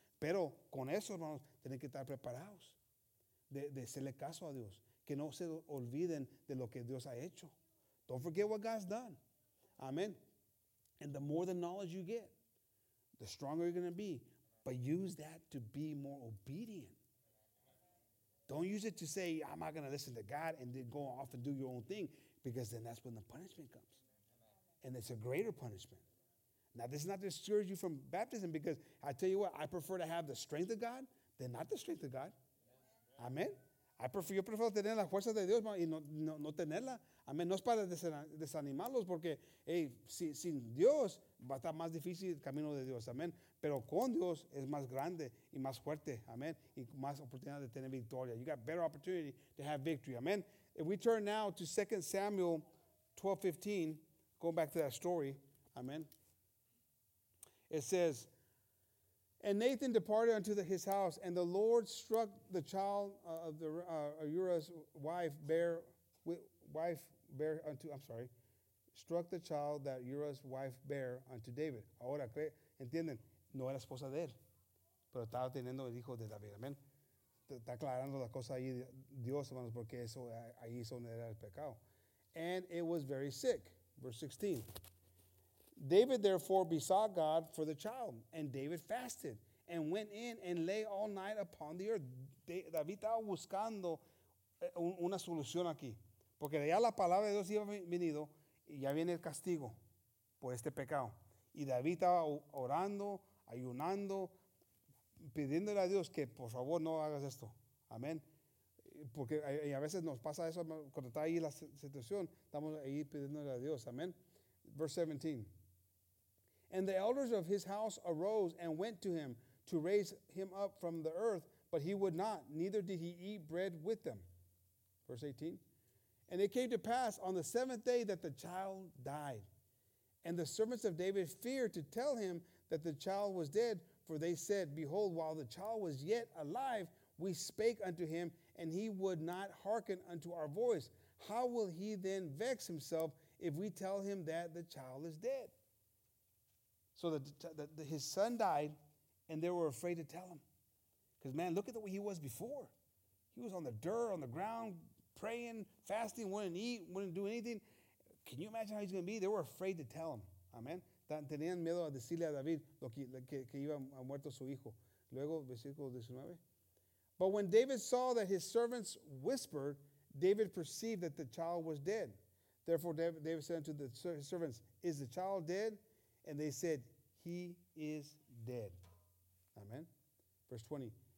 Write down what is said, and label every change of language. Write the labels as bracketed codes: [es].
[es] Pero con eso, hermanos, tienen que estar preparados de hacerle caso a Dios. Que no se olviden de lo que Dios ha hecho. [en] Don't forget what God's done. Amén. And the more the knowledge you get, the stronger you're going to be. But use that to be more obedient. Don't use it to say, I'm not going to listen to God and then go off and do your own thing, because then that's when the punishment comes. And it's a greater punishment. Now, this is not to discourage you from baptism, because I tell you what, I prefer to have the strength of God than not the strength of God. Amen. [es] Yo prefiero tener la fuerza de Dios y no tenerla. Amén. No es para desanimarlos, porque hey, sin Dios va a estar más difícil el camino de Dios. Amén. Pero con Dios es más grande y más fuerte. Amén. Y más oportunidad de tener victoria. [en] You got better opportunity to have victory. [es] Amén. [en] If we turn now to 2 Samuel 12:15, going back to that story. Amén. It says, and Nathan departed unto his house, and the Lord struck the child of the Uriah's struck the child that Uriah's wife bare unto David. [es] Ahora, ¿entienden? No era esposa de él, pero estaba teniendo el hijo de David. Amén. Está aclarando la cosa ahí, Dios, hermanos, porque eso ahí es donde era el pecado. [en] And it was very sick. Verse 16. David therefore besought God for the child, and David fasted and went in and lay all night upon the earth. [es] David estaba buscando una solución aquí, porque ya la palabra de Dios iba venido y ya viene el castigo por este pecado. Y David estaba orando, ayunando, pidiéndole a Dios que por favor no hagas esto. Amén. Porque a veces nos pasa eso cuando está ahí la situación, estamos ahí pidiéndole a Dios. [en] Amén. Verse 17. And the elders of his house arose and went to him to raise him up from the earth, but he would not, neither did he eat bread with them. Verse 18. And it came to pass on the seventh day that the child died. And the servants of David feared to tell him that the child was dead, for they said, behold, while the child was yet alive, we spake unto him, and he would not hearken unto our voice. How will he then vex himself if we tell him that the child is dead? So his son died, and they were afraid to tell him. Because, man, look at the way he was before. He was on the dirt, on the ground, praying, fasting, wouldn't eat, wouldn't do anything. Can you imagine how he's going to be? They were afraid to tell him. Amen. [es] Tenían miedo a decirle a David lo que iba a muerto su hijo. Luego, versículo 19. [en] But when David saw that his servants whispered, David perceived that the child was dead. Therefore, David said unto the servants, is the child dead? And they said, he is dead. Amen. Verse 20.